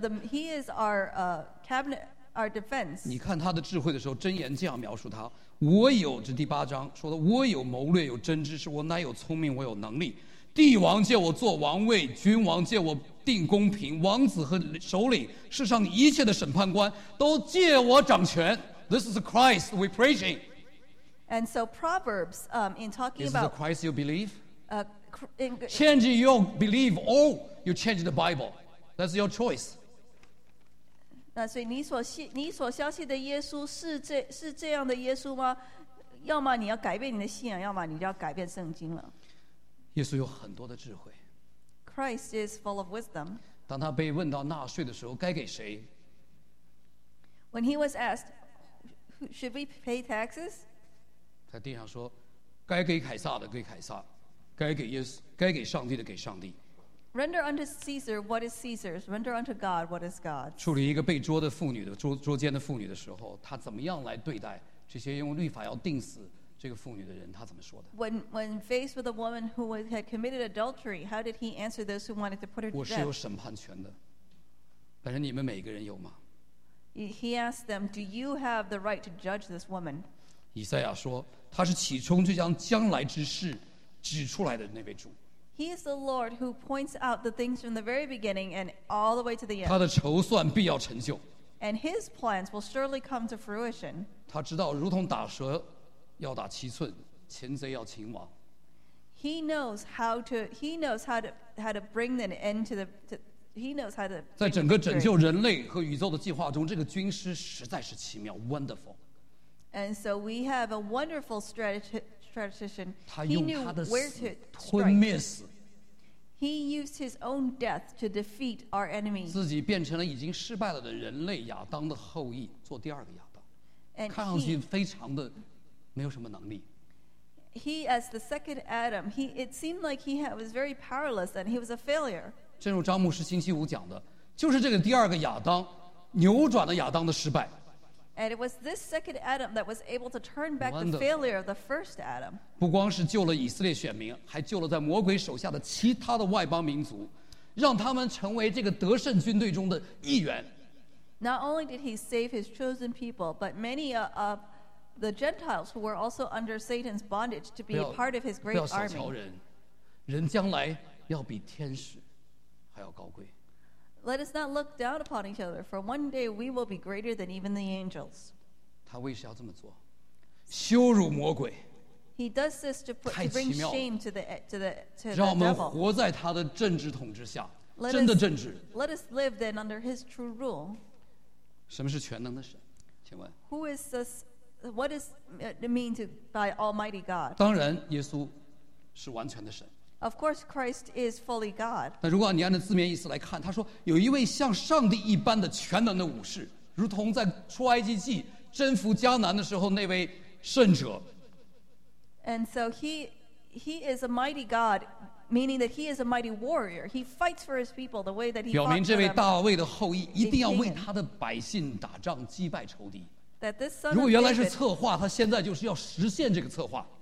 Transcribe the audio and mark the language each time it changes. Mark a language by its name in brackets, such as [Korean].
[English] He is our cabinet, our defense. [Chinese] 你看他的智慧的时候，箴言这样描述他：我有这第八章说的，我有谋略，有真知识，我乃有聪明，我有能力。帝王借我做王位，君王借我定公平，王子和首领，世上一切的审判官都借我掌权。 [English] This is Christ we preaching. And so Proverbs, in talking about. Is the Christ you believe? Change your belief or you change the Bible. That's your choice. [Chinese] 那所以你所相信的耶稣是这样的耶稣吗？要么你要改变你的信仰，要么你就要改变圣经了。耶稣有很多的智慧。 [English] Christ is full of wisdom. [Chinese] 当他被问到纳税的时候，该给谁 [English] ？When he was asked, should we pay taxes? [Chinese] 在地上说，该给凯撒的给凯撒，该给耶稣，该给上帝的给上帝。 [English] Render unto Caesar what is Caesar's. Render unto God what is God's. [Chinese] 处理一个被捉的妇女的捉奸的妇女的时候，他怎么样来对待这些用律法要钉死？这个妇女的人她怎么说的 [English] when faced with a woman who had committed adultery, how did he answer those who wanted to put her to death? [Chinese] 我是有审判权的，但是你们每个人有吗？ [English] He asked them, do you have the right to judge this woman? [Chinese] 以赛亚说，他是起初就将将来之事指出来的那位主。 [English] He is the Lord who points out the things from the very beginning and all the way to the end. [Chinese] 他的筹算必要成就。 [English] And his plans will surely come to fruition. [Chinese] 他知道如同打蛇要打七寸，擒贼要擒王。 [English] He knows how to bring an end to the. [Chinese] 在整个拯救人类和宇宙的计划中，这个军师实在是奇妙 ， [English] wonderful。 And so we have a wonderful strategician. [Chinese] 他用他的死吞灭死。 [English] He used his own death to defeat our enemy. [Chinese] 自己变成了已经失败了的人类亚当的后裔，做第二个亚当，看上去非常的。没有什么能力。 [English] He as the second Adam, it seemed like he was very powerless and he was a failure. [Chinese] 正如张牧师星期五讲的，就是这个第二个亚当，扭转了亚当的失败。 [English] And it was this second Adam that was able to turn back the failure of the first Adam. [Chinese] 不光是救了以色列选民，还救了在魔鬼手下的其他的外邦民族，让他们成为这个得胜军队中的一员。 [English] Not only did he save his chosen people, but many of the Gentiles who were also under Satan's bondage to be a part of his great army. [Chinese] 不要小瞧人，人将来要比天使还要高贵。 [English] Let us not look down upon each other, for one day we will be greater than even the angels. [Chinese] 他为什么要这么做？羞辱魔鬼。 [English] He does this to bring shame to the devil. [Chinese] 让我们活在他的政治统治下，真的政治。 [English] Let us live then under his true rule. [Chinese] 什么是全能的神？请问。 [English] Who is this? What does it mean to by Almighty God? [Chinese] 当然，耶稣是完全的神。 [English] Of course, Christ is fully God. [Chinese] 那如果你按照字面意思来看，他说有一位像上帝一般的全能的武士，如同在出埃及记征服迦南的时候那位圣者。 [English] And so he is a mighty God, meaning that he is a mighty warrior. He fights for his people the way that he fought for them. [Chinese] 表明这位大卫的后裔一定要为他的百姓打仗，击败仇敌。 [English] That this son of David, [Chinese] 如果原来是策划，他现在就是要实现这个策划。